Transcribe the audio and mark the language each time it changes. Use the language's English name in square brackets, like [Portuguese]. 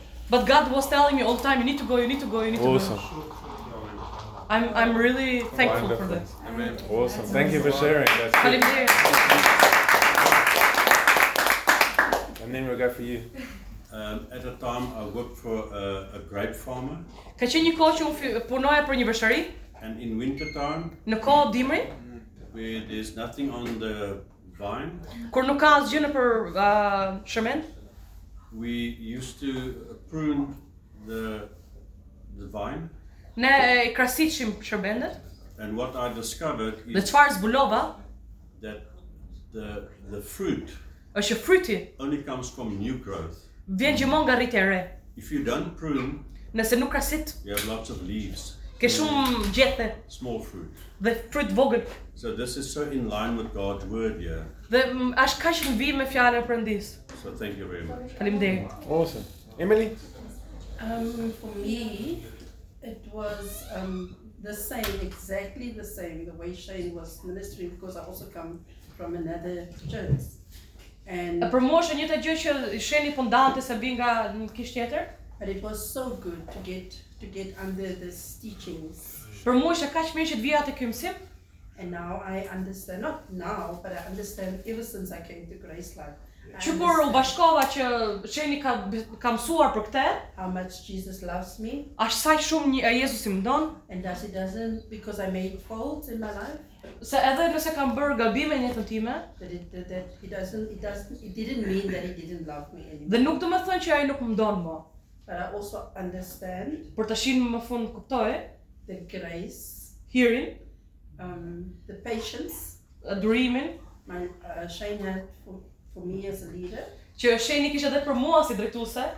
[English] But God was telling me all the time, you need to go. I'm really thankful Wonderful. For this. Amen. Awesome. Thank you for sharing. That's And then we'll go for you. At the time I worked for a grape farmer. [Albanian] Ka qenë një kohë që unë punoja për një veshëri. [English] And in winter time. [Albanian] Në kohë dimri. [English] Where there's nothing on the vine. [Albanian] Kur nuk ka asgjë nëpër sherment. [English] We used to prune the vine. [Albanian] Ne e krasiqim sherbendet. [English] And what I discovered is [Albanian] dhe çfarë zbulova? [English] That the fruit. [Albanian] Është fruti. [English] Only comes from new growth. [Albanian] Vjen gjithmonë nga rritja e re. [English] If you don't prune. [Albanian] Nëse nuk krasit. [English] You have lots of leaves. [Albanian] Ke shumë gjethe. [English] Small fruit. The fruit [Albanian] vogël. [English] So this is so in line with God's word here. Yeah. [Albanian] Dhe është kaq në vijim me fjalën e Perëndis. [English] So thank you very much. [Albanian] Faleminderit. [English] Awesome. Emily. For me it was the same, exactly the same, the way Shane was ministering, because I also come from another church. And a promotion [Albanian] njëta gjë që Shane fundante se vin nga një kishë tjetër. [English] But it was so good to get under this teachings. [Albanian] Për mua është kaq mirë që të vija te ky mësim. [English] And now I understand, not now, but I understand ever since I came to Grace Life. [Albanian] Që kur u bashkova që Shane ka mësuar për këtë. [English] How much Jesus loves me. [Albanian] A sa shumë Jezusi më don. [English] And that he doesn't, because I made faults in my life. [Albanian] Se edhe nëse kam bërë gabime në jetën time. [English] But it didn't mean that he didn't love me anymore. [Albanian] Dhe nuk do të them që ai nuk më don më. [English] But I also understand. [Albanian] Por tashin më fund kuptoj. [English] The grace. Hearing. The patience. A dreaming. My Shane had for me as a leader. [Albanian] Që Shane kishte edhe për mua si drejtuese.